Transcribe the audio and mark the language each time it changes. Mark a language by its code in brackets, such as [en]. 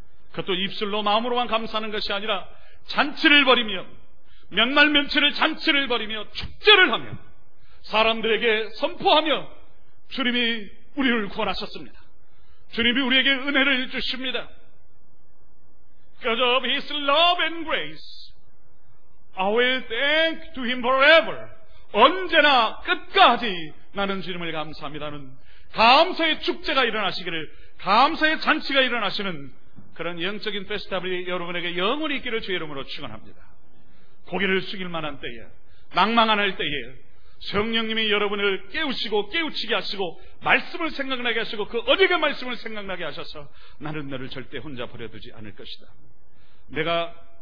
[ko] 그것도 입술로 마음으로만 감사하는 것이 아니라 잔치를 벌이며, 몇날 며칠을 잔치를 벌이며 축제를 하며 사람들에게 선포하며 주님이 우리를 구원하셨습니다. 주님이 우리에게 은혜를 주십니다. [en] Because of His love and grace, I will thank to Him forever. [ko] 언제나 끝까지 나는 주님을 감사합니다는 감사의 축제가 일어나시기를, 감사의 잔치가 일어나시는 그런 영적인 페스티벌이 여러분에게 영원히 있기를 주의 이름으로 축원합니다. 고개를 숙일 만한 때에, 낙망할 때에 성령님이 여러분을 깨우시고 깨우치게 하시고 말씀을 생각나게 하시고 그 언약의 말씀을 생각나게 하셔서 나는 너를 절대 혼자 버려두지 않을 것이다, 내가